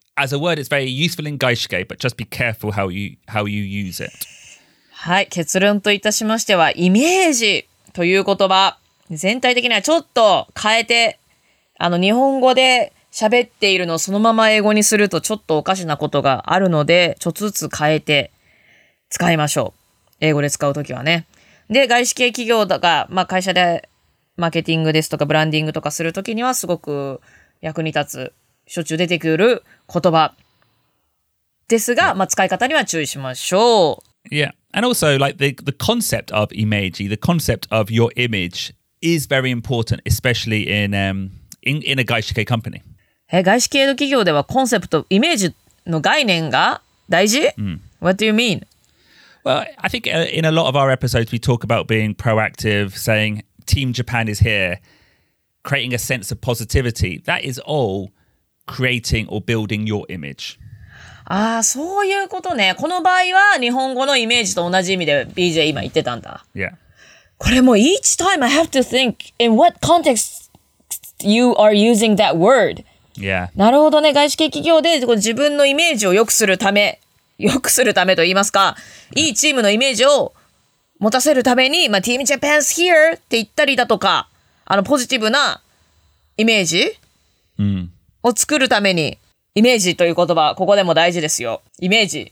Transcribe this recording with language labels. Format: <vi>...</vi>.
<en>As a word, it's very useful in gaishike, but just be careful how you use it.</en> <ja>はい、結論といたしましては、イメージという言葉、全体的にはちょっと変えて、日本語で喋っているのをそのまま英語にするとちょっとおかしなことがあるので、ちょっとずつ変えて、使いましょう。英語で使うときはね。で、外資系企業とか、まあ会社でマーケティングですとかブランディングとかするときにはすごく役に立つ、しょっちゅう出てくる言葉ですが、まあ使い方には注意しましょう。</ja> <en>Yeah. And also, like the concept of imagi, the concept of your image is very important, especially in a 外資系 company.</en> <ja>外資系の企業ではコンセプト、イメージの概念が大事、</ja> <en>What do you mean? Well, I think in a lot of our episodes, we talk about being proactive, saying Team Japan is here, creating a sense of positivity. That is all creating or building your image.</en> <ja>Ah, そういうことね。この場合は日本語のイメージと同じ意味で BJ 今言ってたんだ。</ja> <en>Yeah.</en> <ja>これも</ja> <en>each time I have to think in what context you are using that word. Yeah.</en> <ja>なるほどね。外資系企業で自分のイメージを良くするため。良くするためと言いますか、いいチームのイメージを持たせるために、まあ、</ja> <en>Team Japan's here</en> <ja>って言ったりだとか、ポジティブなイメージを作るために、イメージという言葉、ここでも大事ですよ。イメージ。</ja>